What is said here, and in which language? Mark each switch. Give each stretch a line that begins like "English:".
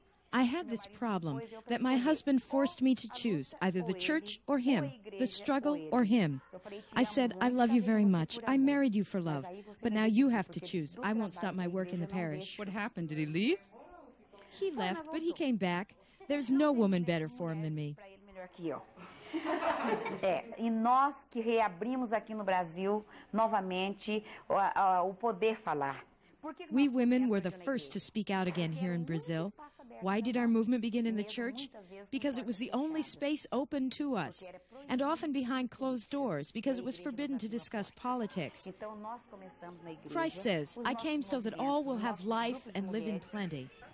English: I had this problem that my husband forced me to choose either the church or him, the struggle or him. I said, I love you very much. I married you for love, but now you have to choose. I won't stop my work in the parish. What happened? Did he leave? He left, but he came back. There's no woman better for him than me.
Portuguese: É, e nós que reabrimos aqui no Brasil novamente o poder falar.
English: We women were the first to speak out again here in Brazil. Why did our movement begin in the church? Because it was the only space open to us, and often behind closed doors, because it was forbidden to discuss politics. Christ says, I came so that all will have life and live in plenty.